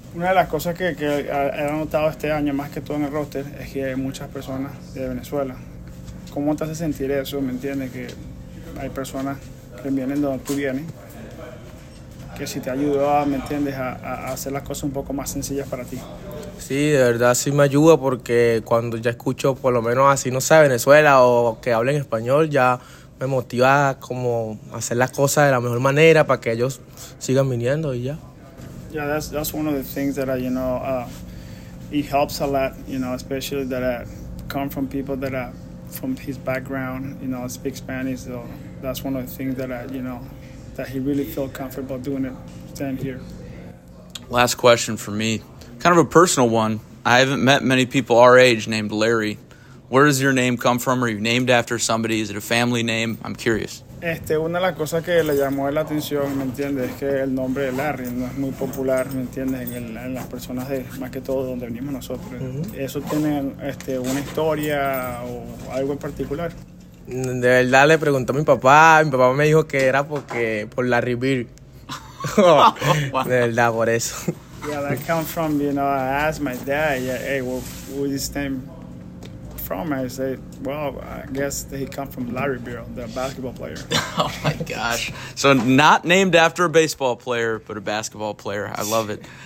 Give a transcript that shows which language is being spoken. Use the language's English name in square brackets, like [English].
[Spanish] Una de las cosas que he notado este año, más que todo en el roster, es que hay muchas personas de Venezuela. ¿Cómo te hace sentir eso? ¿Me entiendes? Que hay personas que vienen de donde tú vienes. Que si te ayudó, ¿me entiendes? A hacer las cosas un poco más sencillas para ti. Sí, de verdad sí me ayuda porque cuando ya escucho, por lo menos así, no sea Venezuela o que hablen español, ya me motiva como hacer las cosas de la mejor manera para que ellos sigan viniendo y ya. [English] Yeah, that's one of the things that it helps a lot, you know, especially that I come from people that are from his background, you know, speak Spanish. So that's one of the things that that he really feel comfortable doing it, staying here. Last question for me, kind of a personal one. I haven't met many people our age named Larry. Where does your name come from? Are you named after somebody? Is it a family name? I'm curious. [Spanish] Una de las cosas que le llamó la atención, ¿me entiendes? Es que el nombre de Larry no es muy popular, ¿me entiendes? En las personas de, más que todo, donde venimos nosotros. Uh-huh. ¿Eso tiene una historia o algo en particular? De verdad, le pregunté a mi papá. Mi papá me dijo que era por Larry Beer. De verdad, por eso. [English] Yeah, that comes from, I asked my dad, yeah, hey, who is this name from? I said, well, I guess he come from Larry Beer, the basketball player. Oh my gosh. So not named after a baseball player, but a basketball player. I love it.